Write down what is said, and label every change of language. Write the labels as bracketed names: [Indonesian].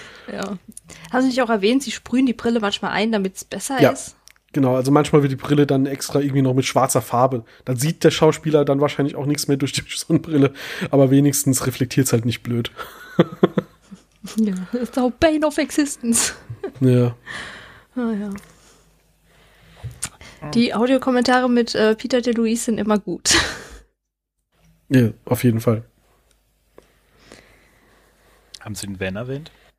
[German] Ja. Haben Sie nicht auch erwähnt, Sie sprühen die Brille manchmal ein, damit es besser ja, ist? Ja, genau. Also manchmal wird die Brille dann extra irgendwie noch mit schwarzer Farbe. Dann sieht der Schauspieler dann wahrscheinlich auch nichts mehr durch die Sonnenbrille. Aber wenigstens reflektiert es halt nicht blöd. [English] Ja, it's the bane of existence. [German] Ja. Naja. Die Audiokommentare mit Peter DeLuise sind immer gut. Ja, auf jeden Fall. Haben Sie den Van erwähnt?